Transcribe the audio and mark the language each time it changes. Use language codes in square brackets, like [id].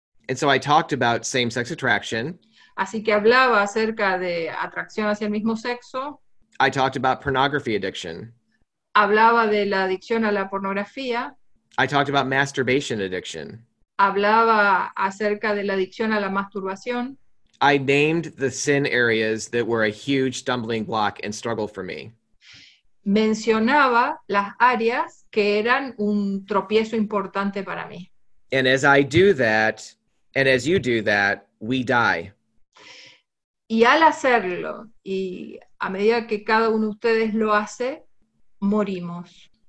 [en] And so I talked about same-sex attraction. [es] Así que hablaba acerca de atracción hacia el mismo sexo. [en] I talked about pornography addiction. [es] Hablaba de la adicción a la pornografía. [en] I talked about masturbation addiction. [es] Hablaba acerca de la adicción a la masturbación. [en] I named the sin areas that were a huge stumbling block and struggle for me. [es] Mencionaba las áreas que eran un tropiezo importante para mí. [en] And as I do that, and as you do that, we die. [es] Y al hacerlo, y a medida que cada uno de ustedes lo hace, morimos.